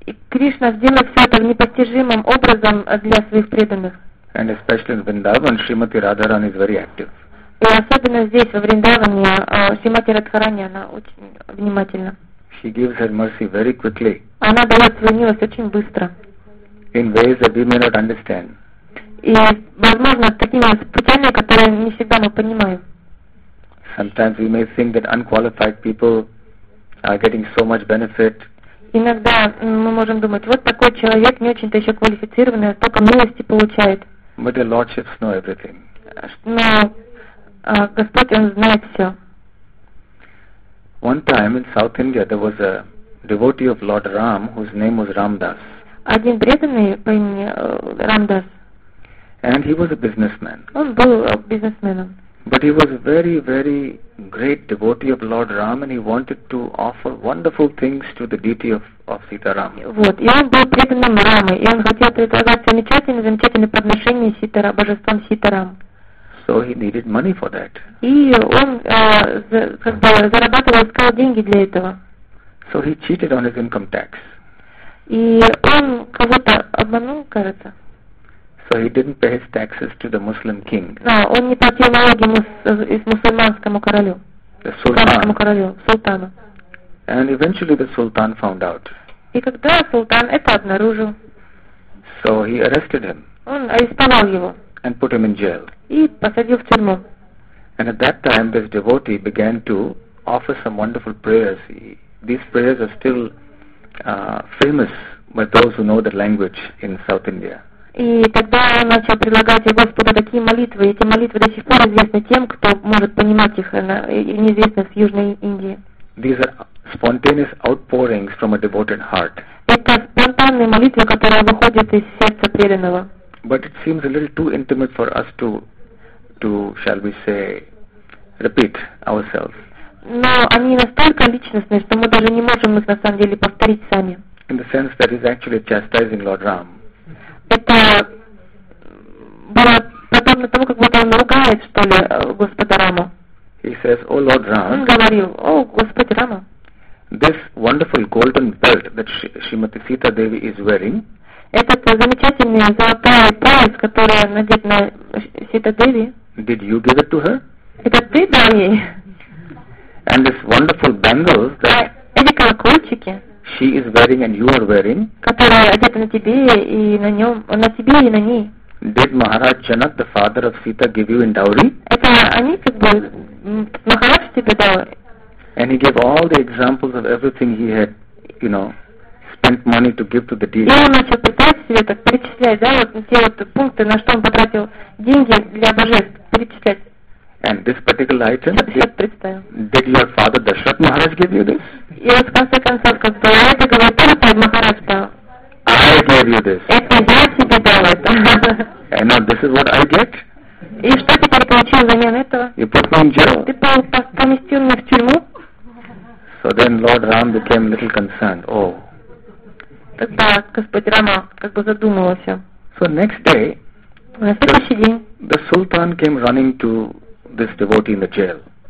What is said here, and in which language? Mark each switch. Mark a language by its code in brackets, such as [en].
[ru] Кришна сделает все это непостижимым образом для своих преданных. [en] And especially in Vrindavan, Shrimati Radharani is very active. [ru] И особенно здесь, во Вриндаване, Шримати Радхарани, она очень внимательна. [en] She gives her mercy very quickly. [ru] Она дает свою милость очень быстро. [en] In ways that we may not understand. [ru] И, возможно, такими путями, которые не всегда мы понимаем. [en] Sometimes we may think that unqualified people are getting so much benefit. [ru] Иногда мы можем думать, вот такой человек, не очень-то еще квалифицированный, только милости получает. [en] But the Lordships know everything. [ru] Но Господь, Он знает все. [en] One time in South India there was a devotee of Lord Ram whose name was Ramdas. [ru] Один преданный по имени Рамдас. [en] And he was a businessman. [ru] Он был бизнесменом. [en] But he was a very, very great devotee of Lord Ram, and he wanted to offer wonderful things to the deity of Sita Ram. [ru] Вот, и он был преданным Раме, и он хотел предлагать замечательные, замечательные подношения Ситара, божествам Ситарам. [en] So he needed money for that. [ru] И он как бы зарабатывал, искал деньги для этого. [en] So he cheated on his income tax. [ru] И он кого-то обманул, кажется. [en] So he didn't pay his taxes to the Muslim king. No, [ru] он не платил налоги из мусульманскому королю. [en] The Sultan. [ru] Королю, султану. [en] And eventually the Sultan found out. [ru] И когда султан это обнаружил. [en] So he arrested him. [ru] Он арестовал его. [en] And put him in jail. [ru] И посадил в тюрьму. [en] And at that time this devotee began to offer some wonderful prayers. These prayers are still famous by those who know the language in South India. [ru] И тогда он начал предлагать Господу такие молитвы, эти молитвы до сих пор известны тем, кто может понимать их, неизвестно с Южной Индии. [en] These are spontaneous outpourings from a devoted heart. [ru] Это спонтанные молитвы, которые выходят из сердца преданного. [en] But it seems a little too intimate for us to shall we say, repeat ourselves. [ru] Но они настолько личностные, что мы даже не можем их на самом деле повторить сами. [en] In the sense that he's actually chastising Lord Ram. [ru] Это было подобно тому, как будто он ругает, что ли, Господа Раму. [en] He says, "O Lord Ram." [ru] Он говорил, "О, Господь Рама." [en] This wonderful golden belt that Shrimati Sita Devi is wearing. [ru] Этот замечательный золотой пояс, который надет на Сита Деви. [en] Did you give it to her? [ru] Это ты дал ей. [en] And this wonderful bangles that. [ru] Эти колокольчики. [en] She is wearing and you are wearing. [ru] Которая одета на тебе и на нем, на тебе и на ней. [en] Did Maharaj Janak, the father of Sita, give you in dowry? [ru] Это они как бы Махарадж тебе дал. [en] And he gave all the examples of everything he had, you know, spent money to give to the deity. [ru] И он начал пытаться себе так перечислять, да, вот те вот пункты, на что он потратил деньги для божеств, перечислять. [en] And this particular item, did your father Dashrath Maharaj give you this? Yes, [ru] в конце концов, как бы я это говорю, Дашрат Махарадж дал. [en] I gave you this. [ru] Это я тебе дал это. [en] And now this is what I get? [ru] И что теперь получил взамен этого? [en] You put me in jail. [ru] Ты поместил меня в тюрьму? [en] So then Lord Ram became a little concerned. Oh. [ru] Тогда Господь Рама как бы задумывался. [en] So next day, [ru] на следующий день, [en] the Sultan came running to this devotee in the jail.